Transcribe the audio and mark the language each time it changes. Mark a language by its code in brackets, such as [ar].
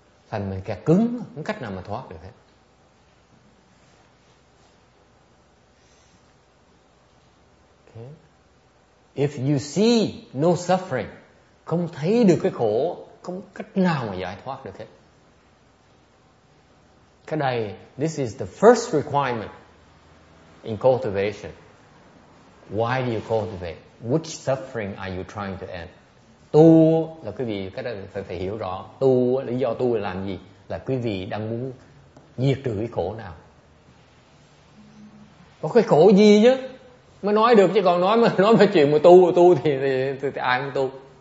[vi] Thành mình kẹt cứng, không cách nào mà thoát được hết. [en] Okay. If you see no suffering, [vi] không thấy được cái khổ, không cách nào mà giải thoát được hết. Cái này, [en] this is the first requirement in cultivation. Why do you cultivate? Which suffering are you trying to end? [vi] Tu là quý vị, cái này phải hiểu rõ. Tu, lý do tu là làm gì? Là quý vị đang muốn diệt trừ cái khổ nào. Có cái khổ gì chứ mới nói được, chứ còn nói về chuyện mà tu thì ai cũng tu.